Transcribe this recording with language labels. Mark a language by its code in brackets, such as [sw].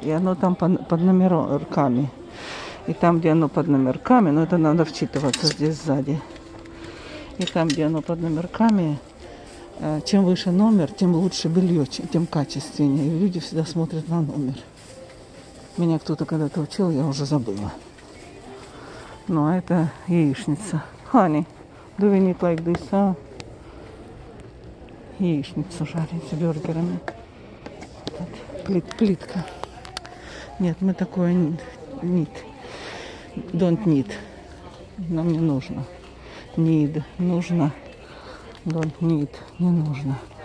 [ru] И оно там под номерками. И там, где оно под номерками, ну это надо вчитываться здесь сзади. И там, где оно под номерками, чем выше номер, тем лучше белье, тем качественнее. И люди всегда смотрят на номер. Меня кто-то когда-то учил, я уже забыла. Ну, а это яичница. [en] Honey, do we need like this, а? [ru] Яичницу жарить с бюргерами. Вот. Плитка. Нет, мы такое [en] need. Don't need. [ru] Нам не нужно. [en] Need. [ru] Нужно. [en] Don't need. [ru] Не нужно.